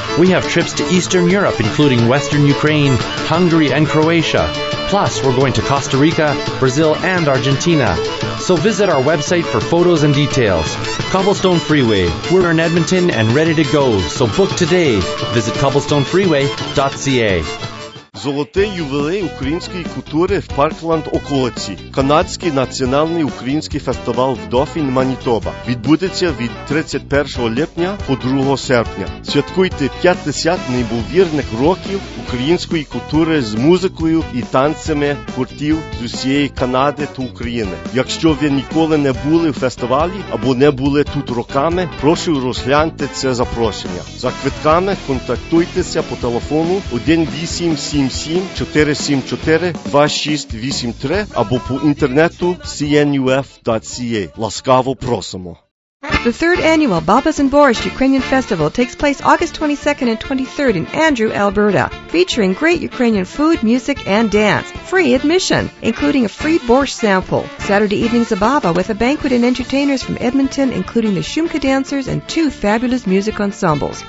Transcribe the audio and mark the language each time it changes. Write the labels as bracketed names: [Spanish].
[English] We have trips to Eastern Europe, including Western Ukraine, Hungary, and Croatia. Plus, we're going to Costa Rica, Brazil, and Argentina. So visit our website for photos and details. Cobblestone Freeway, we're in Edmonton and ready to go. So book today. Visit cobblestonefreeway.ca. [Ukrainian] Золотий ювілей української культури в Паркланд околиці. Канадський національний український фестиваль «Вдофін Манітоба» відбудеться від 31 липня по 2 серпня. Святкуйте 50 неймовірних років української культури з музикою і танцями гуртів з усієї Канади та України. Якщо ви ніколи не були в фестивалі або не були тут роками, прошу розгляньте це запрошення. За квитками контактуйтеся по телефону 1-877-474-2683 або по інтернету cnuf.ca. Ласкаво просимо. [English] The third annual Babas and Borscht Ukrainian Festival takes place August 22nd and 23rd in Andrew, Alberta, featuring great Ukrainian food, music, and dance. Free admission, including a free borscht sample. Saturday evening's a baba with a banquet and entertainers from Edmonton, including the Shumka dancers and two fabulous music ensembles.